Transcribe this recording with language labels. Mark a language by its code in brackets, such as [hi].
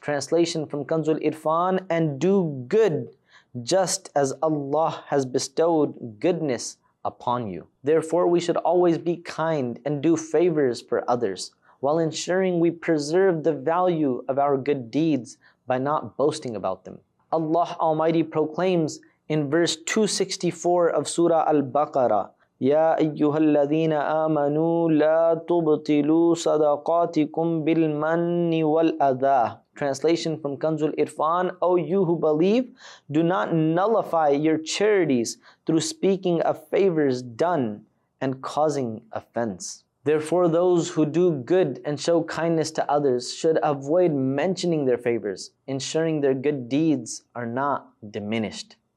[en] Translation from Kanzul Irfan, and do good just as Allah has bestowed goodness upon you. Therefore, we should always be kind and do favors for others, while ensuring we preserve the value of our good deeds by not boasting about them. [ar] Allah Almighty proclaims in verse 264 of Surah Al-Baqarah, يَا أَيُّهَا الَّذِينَ آمَنُوا لَا تُبْطِلُوا صَدَقَاتِكُمْ بِالْمَنِّ وَالْأَذَىٰ. [en] Translation from Kanzul Irfan, O you who believe, do not nullify your charities through speaking of favors done and causing offense. Therefore, those who do good and show kindness to others should avoid mentioning their favors, ensuring their good deeds are not diminished.